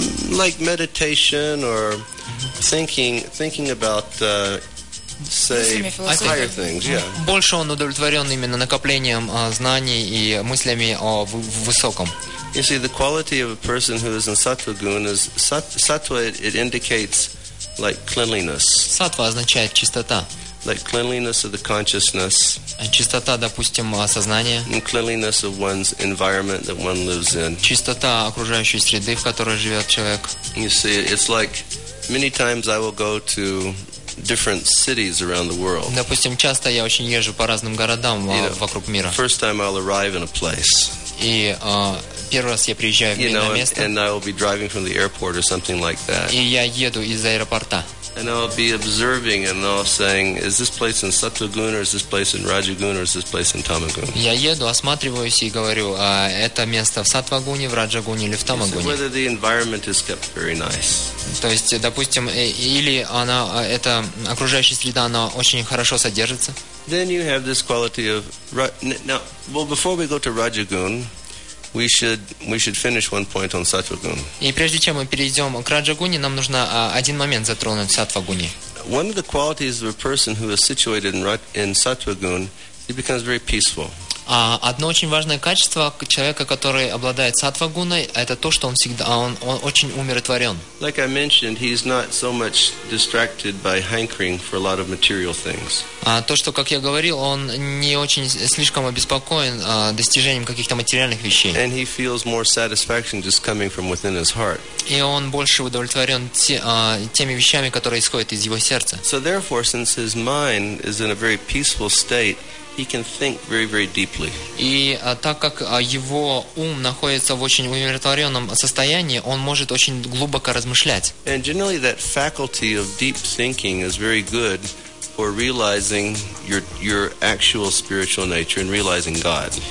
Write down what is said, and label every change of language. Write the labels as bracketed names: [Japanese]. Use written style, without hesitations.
[English] like meditation or thinking about say higher things, yeah. [Russian] Больше он удовлетворен именно накоплением знаний и мыслями о высоком. [English] You see, the quality of a person who is in sattva gun is sattva. It indicates like cleanliness. [Russian] Сатва означает чистота. [English] Like cleanliness of the consciousness. [Russian] Чистота, допустим, сознания. [English] And cleanliness of one's environment that one lives in. [Russian] Чистота окружающей среды, в которой живет человек. [English] You see, it's like many times I will go to different cities around the world. [Russian] Допустим, часто я очень езжу по разным городам вокруг мира. [English] First time I'll arrive in a place. [Russian] И первый раз я приезжаю в местное место. [English] And I will be driving from the airport or something like that. [Russian] И я еду из аэропорта. [English] And I'll be observing and I'll saying, is this place in Sattva-guna or is this place in Raja-guna or is this place in Tamaguna? [Russian] Я еду, осматриваюсь и говорю, это место в Сатва-гуне, в Раджа-гуне или в Тамагуне. [English] So whether the environment is kept very nice. [Russian] То есть, допустим, или она, эта окружающая среда, она очень хорошо содержится. [English] Then you have this quality of... Now, well, before we go to Raja-guna, We should finish one point on Sattva-guna. [Russian] И прежде чем мы перейдем к Раджа-гуне, нам нужно один момент затронуть в Сатва-гуне. [English] One of the qualities of a person who is situated in Sattva-guna, he becomes very peaceful. [Russian] Одно очень важное качество человека, который обладает сатва-гуной, это то, что он всегда, он очень умиротворен. [English] Like I mentioned, he's not so much distracted by hankering for a lot of material things. [Russian] То, что, как я говорил, он не очень слишком обеспокоен достижением каких-то материальных вещей. [English] And he feels more satisfaction just coming from within his heart. [Russian] И он больше удовлетворен теми вещами, которые исходят из его сердца. [English] So therefore, since his mind is in a very peaceful state, he can think very, very deeply. [Russian] И так как его ум находится в очень умиротворенном состоянии, он может очень глубоко размышлять. [English] And generally that faculty of deep thinking is very good for realizing your actual spiritual nature and realizing God.